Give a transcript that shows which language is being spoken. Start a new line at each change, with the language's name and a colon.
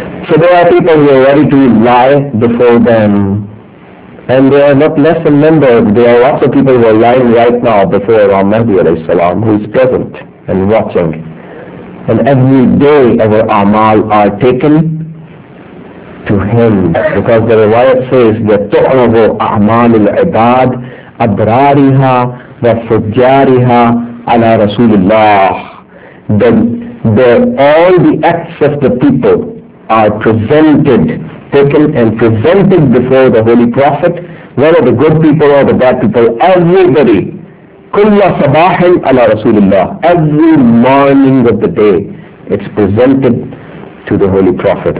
English: So there are people who are ready to lie before them. And they are not less in number. There are lots of people who are lying right now before Imam Mahdi alayhi salam, who is present and watching. And every day our amal are taken to him. Because the riwayat says that
Arabic: تُعْرَضُ أَعْمَالُ الْعِبَادِ أَبْرَارِهَا وَفُجَّارِهَا عَلَى رَسُولِ اللَّهِ.
English: All the acts of the people are presented, taken and presented before the Holy Prophet, whether the good people or the bad people, everybody. Kulla sabahin ala Rasulullah. Every morning of the day, it's presented to the Holy Prophet.